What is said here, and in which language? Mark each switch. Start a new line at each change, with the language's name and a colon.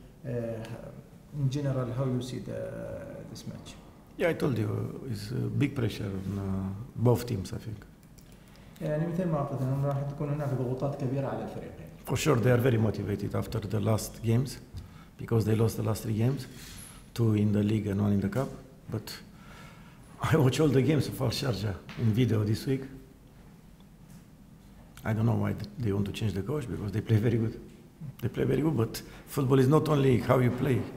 English: In general, how you see this match? Yeah, I told you, it's big pressure on both teams, I think.
Arabic: يعني مثل ما قلت لهم راح تكون هناك ضغوطات كبيرة على الفريقين.
English: For sure they are very motivated after the last games because they lost the last three games, two in the league and one in the cup. But I watched all the games of Al Sharjah in video this week. I don't know why they want to change the coach because they play very good. They play very good, but football is not only how you play.